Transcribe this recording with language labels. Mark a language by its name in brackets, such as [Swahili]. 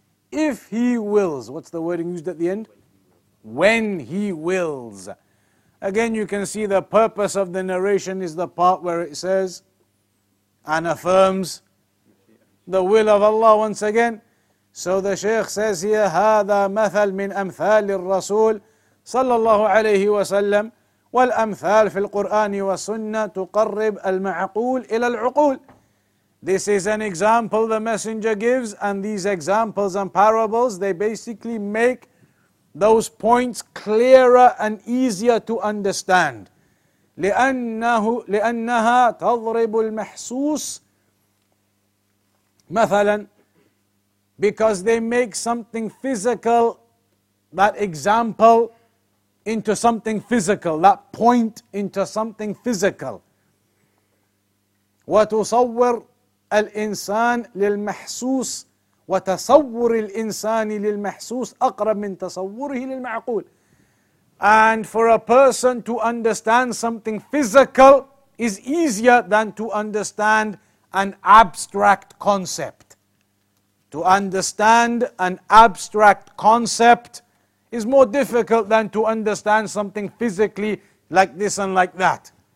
[English] If He wills, what's the wording used at the end? When He wills. Again, you can see the purpose of the narration is the part where it says, and affirms the will of Allah once again. So the Shaykh says here, [Arabic] هذا مثل من أمثال الرسول صلى الله عليه وسلم والأمثال في القرآن والسنة تقرب المعقول إلى العقول. [English] This is an example the Messenger gives, and these examples and parables, they basically make those points clearer and easier to understand. [Arabic] لأنها تضرب المحسوس مثلا, [English] because they make something physical, that example, into something physical, that point into something physical. [Arabic] وتصور الإنسان للمحسوس وتصور الإنسان للمحسوس أقرب من تصوره للمعقول. [English] And for a person to understand something physical is easier than to understand an abstract concept. To understand an abstract concept is more difficult than to understand something physically like this and like that.